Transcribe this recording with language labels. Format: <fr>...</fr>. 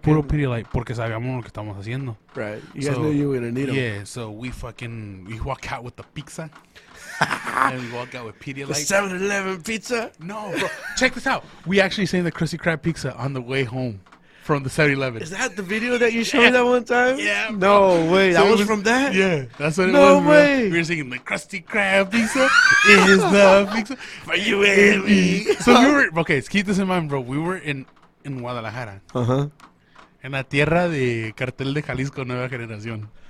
<es>Puro Pedialyte, porque sabíamos lo que estamos haciendo.</es> <en>Right. You guys knew you were going to need them. Yeah, so we walk out with the pizza. And we walk out with Pedialyte. The 7-Eleven pizza? No, bro. Check this out. We actually seen the Krusty Krab pizza on the way home from the 7-Eleven. Is that the video that you showed me that one time? Yeah, bro. No way. So that was from that? Yeah. That's what no it was. No way. We were singing the Krusty Krab pizza is the pizza for you and me. So we were, okay, keep this in mind, bro. We were in Guadalajara. Uh-huh.</en> <es>En la tierra de Cartel de Jalisco Nueva Generación.</es>